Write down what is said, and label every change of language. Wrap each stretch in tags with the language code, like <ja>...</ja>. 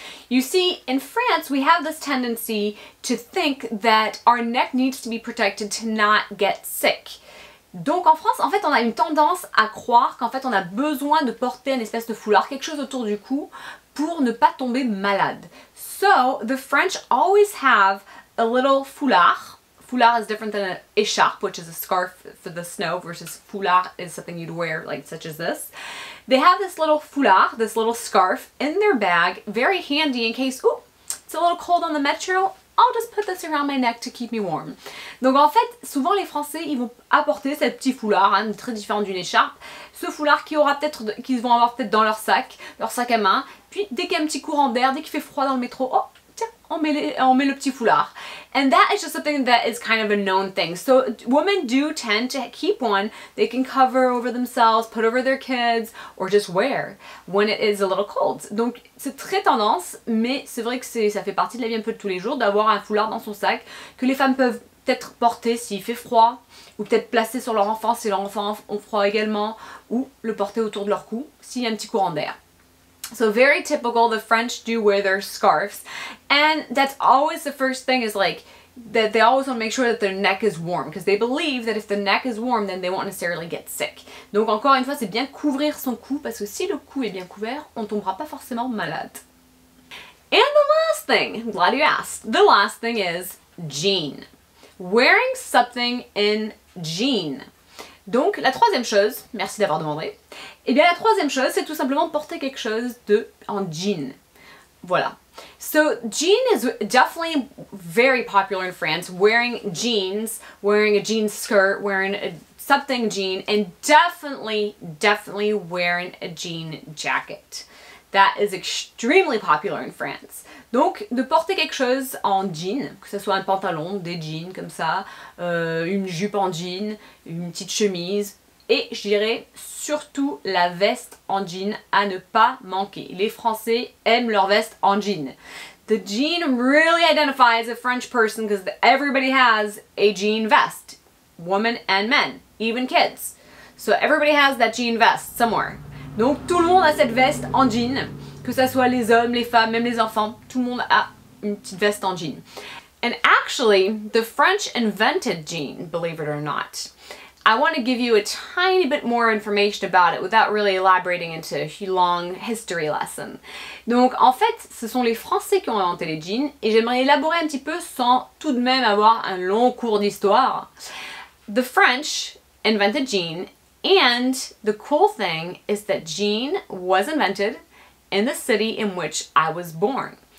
<en>You see, in France, we have this tendency to think that our neck needs to be protected to not get sick.</en> <fr>Donc en France, en fait, on a une tendance à croire qu'en fait, on a besoin de porter une espèce de foulard, quelque chose autour du cou, pour ne pas tomber malade.</fr> <en>So, the French always have a little foulard. Foulard is different than an écharpe, which is a scarf for the snow, versus foulard is something you'd wear, like such as this. They have this little foulard, this little scarf, in their bag, very handy in case, oh, it's a little cold on the metro. I'll just put this around my neck to keep me warm.</en> <fr>Donc en fait, souvent les Français, ils vont apporter ce petit foulard, hein, très différent d'une écharpe, ce foulard qu'ils vont avoir peut-être dans leur sac à main, puis dès qu'il y a un petit courant d'air, dès qu'il fait froid dans le métro, oh, tiens, on met le petit foulard.</fr> <en>And that is just something that is kind of a known thing. So women do tend to keep one they can cover over themselves, put over their kids, or just wear when it is a little cold.</en> <fr>Donc c'est très tendance, mais c'est vrai que ça fait partie de la vie un peu de tous les jours d'avoir un foulard dans son sac que les femmes peuvent peut-être porter s'il fait froid, ou peut-être placer sur leur enfant si leur enfant a froid également, ou le porter autour de leur cou s'il y a un petit courant d'air.</fr> <en>So very typical, the French do wear their scarves, and that's always the first thing is like, that they always want to make sure that their neck is warm, because they believe that if the neck is warm, then they won't necessarily get sick.</en> <fr>Donc encore une fois, c'est bien couvrir son cou, parce que si le cou est bien couvert, on tombera pas forcément malade.</fr> <en>And the last thing, I'm glad you asked, the last thing is jean. Wearing something in jean.</en> <fr>Donc la troisième chose, merci d'avoir demandé, et bien la troisième chose c'est tout simplement porter quelque chose en jean. Voilà.</fr> <en>So jean is definitely very popular in France, wearing jeans, wearing a jean skirt, wearing a something jean, and definitely wearing a jean jacket. That is extremely popular in France.</en> <fr>Donc, de porter quelque chose en jean, que ce soit un pantalon, des jeans comme ça, une jupe en jean, une petite chemise, et je dirais surtout la veste en jean à ne pas manquer. Les Français aiment leur veste en jean.</fr> <en>The jean really identifies a French person because everybody has a jean vest. Women and men, even kids. So everybody has that jean vest somewhere.</en> <fr>Donc tout le monde a cette veste en jean, que ce soit les hommes, les femmes, même les enfants, tout le monde a une petite veste en jean.</fr> <en>And actually, the French invented jean, believe it or not. I want to give you a tiny bit more information about it without really elaborating into a long history lesson.</en> <fr>Donc en fait, ce sont les Français qui ont inventé les jeans et j'aimerais élaborer un petit peu sans tout de même avoir un long cours d'histoire.</fr> <en>The French invented jean, and the cool thing is that jean was invented in the city in which I was born.</en>